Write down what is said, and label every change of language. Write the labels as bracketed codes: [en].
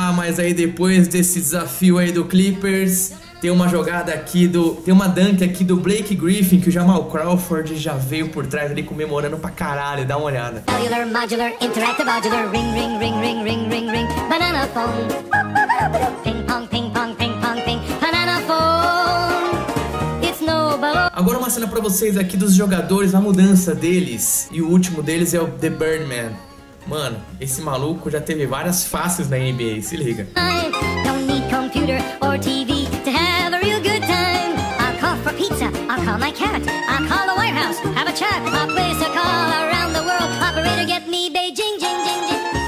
[pt] Mas aí depois desse desafio aí do Clippers, tem uma jogada aqui do... Tem uma dunk aqui do Blake Griffin, que o Jamal Crawford já veio por trás ali comemorando pra caralho. Dá uma olhada. [en] Cellular, modular, interactive, modular, ring, ring, ring, ring, ring, ring, ring, banana phone. Ping, pong, ping, pong, ping, pong, ping, banana phone. It's no balloon. [pt] Agora uma cena pra vocês aqui dos jogadores, a mudança deles. E o último deles é o The Birdman. Mano, esse maluco já teve várias faces na NBA, se liga. [en] Don't need computer or TV to have a real good time. I'll call for pizza, I'll call my cat, I'll call the White House, have a chat, I'll place a call around the world. Operator, get me Beijing, jing, jing, jing.